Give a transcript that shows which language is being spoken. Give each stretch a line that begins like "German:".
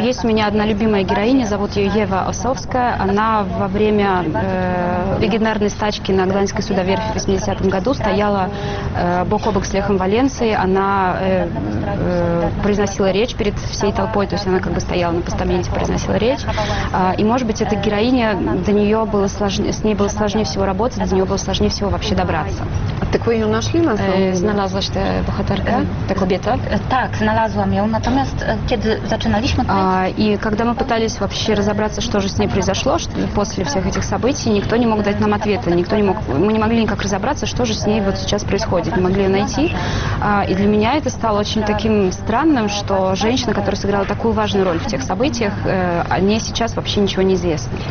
Russian: Есть у меня одна любимая героиня, зовут ее Ева Осовская. Она во время легендарной стачки на Гданьской судоверфи в 80-м году стояла бок о бок с Лехом Валенсой. Она произносила речь перед всей толпой, то есть она стояла на постаменте, произносила речь. И, может быть, эта героиня, до нее было сложнее, с ней было сложнее всего работать, до нее было сложнее всего вообще добраться. Так вы ее нашли на самом деле?
Polish: Znalazłaś tę bohaterkę, tę kobietę? Tak, znalazłam ją. Natomiast kiedy zaczynaliśmy...
Russian: И когда мы пытались вообще разобраться, что же с ней произошло, что после всех этих событий, никто не мог дать нам ответа. Мы не могли никак разобраться, что же с ней сейчас происходит. Не могли ее найти. И для меня это стало очень таким странным, что женщина, которая сыграла такую важную роль в тех событиях, о ней сейчас вообще ничего не известно.